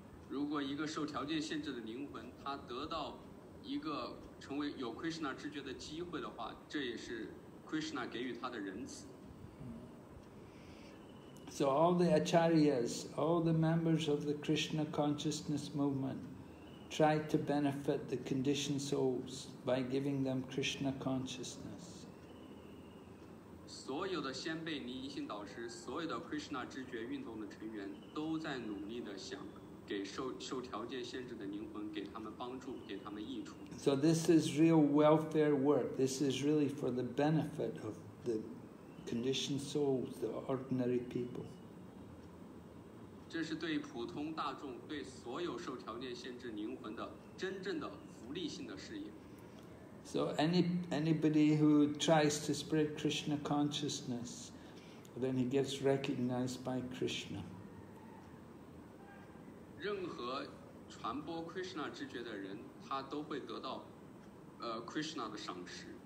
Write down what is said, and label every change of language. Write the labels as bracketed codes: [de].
[zh] 如果一个受条件限制的灵魂，他得到一个成为有 Krishna 知觉的机会的话，这也是 Krishna 给予他的仁慈。 [en] So all the acharyas, all the members of the Krishna consciousness movement, try to benefit the conditioned souls by giving them Krishna consciousness. [zh] 所有的先辈尼尼性导师，所有的 Krishna 知觉运动的成员，都在努力地想给受条件限制的灵魂给他们帮助，给他们益处。 [en] So this is real welfare work. This is really for the benefit of the conditioned souls, the ordinary people. [zh] 这是对普通大众，对所有受条件限制灵魂的真正的福利性的事业。 [en] So anybody who tries to spread Krishna consciousness, then he gets recognized by Krishna. [zh] 任何传播 Krishna 知觉的人，他都会得到Krishna 的赏识。